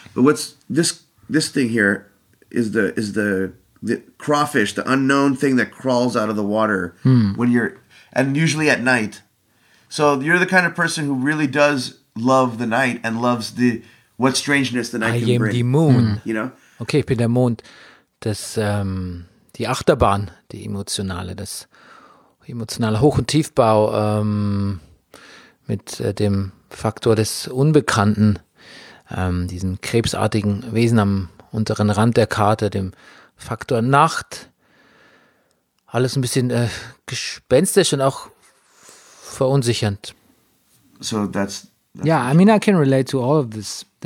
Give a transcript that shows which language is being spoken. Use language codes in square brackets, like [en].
[en] But what's this thing here is the crawfish, the unknown thing that crawls out of the water when you're, and usually at night. So you're the kind of person who really does love the night and loves the what strangeness the night can bring. I am the moon. You know? [de] Okay, ich bin der Mond. Das, die Achterbahn, die emotionale, das emotionaler Hoch- und Tiefbau mit dem Faktor des Unbekannten, diesem krebsartigen Wesen am unteren Rand der Karte, dem Faktor Nacht, alles ein bisschen gespenstisch und auch verunsichernd. [en] So that's yeah, I mean, I can relate to all of this.